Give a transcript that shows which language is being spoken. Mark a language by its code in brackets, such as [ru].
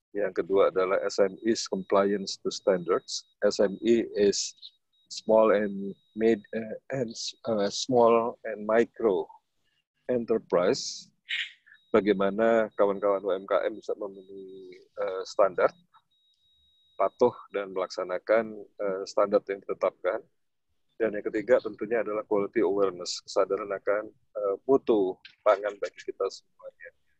[id] Yang kedua adalah [en] SMEs compliance to standards. SME is small and mid small and micro enterprise. [id] Bagaimana kawan-kawan UMKM bisa memenuhi standar, patuh dan melaksanakan standar yang ditetapkan. Dan yang ketiga tentunya adalah quality awareness, kesadaran akan mutu pangan bagi kita semuanya.